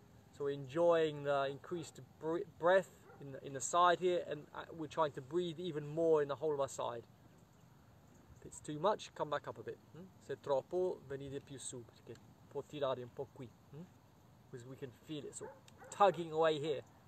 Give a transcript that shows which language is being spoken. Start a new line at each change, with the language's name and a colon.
English: So we're enjoying the increased breath in the side here and we're trying to breathe even more in the whole of our side. If it's too much, come back up a bit.
Italian: Se è troppo, venite più su perché può tirare un po' qui.
English: Because we can feel it sort of tugging away here.